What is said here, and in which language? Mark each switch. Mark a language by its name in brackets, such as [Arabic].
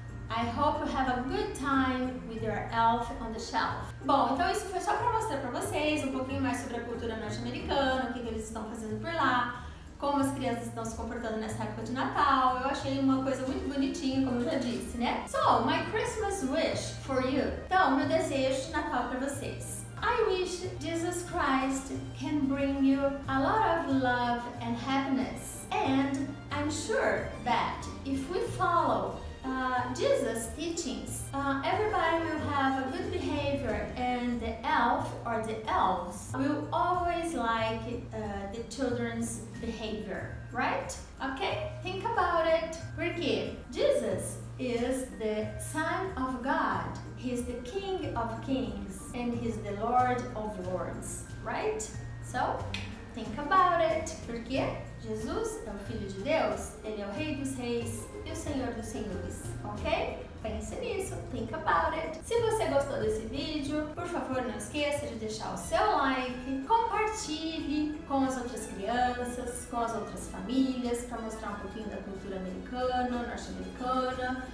[English] I hope you have a good time with your elf on the shelf. [Portuguese] Bom, então isso foi só para mostrar para vocês um pouquinho mais sobre a cultura norte-americana, o que eles estão fazendo por lá, como as crianças estão se comportando nessa época de Natal. Eu achei uma coisa muito bonitinha, como eu já disse, né? [English] So, my Christmas wish for you. [Portuguese] Então, meu desejo de Natal para vocês. [English] I wish Jesus Christ can bring you a lot of love and happiness. And I'm sure that if we follow Jesus' teachings, everybody will have a good behavior, and the elf or the elves will always like the children's behavior, right? Okay, think about it. [Portuguese] Porque [English] Jesus is the Son of God, he's the King of Kings, and he's the Lord of Lords, right? So, think about it. [Portuguese] Porque Jesus é o Filho de Deus, ele é o Rei dos Reis e o Senhor dos Senhores, ok? Pense nisso, [English] think about it. [Portuguese] Se você gostou desse vídeo, por favor, não esqueça de deixar o seu like, compartilhe com as outras crianças, com as outras famílias, para mostrar um pouquinho da cultura americana, norte-americana.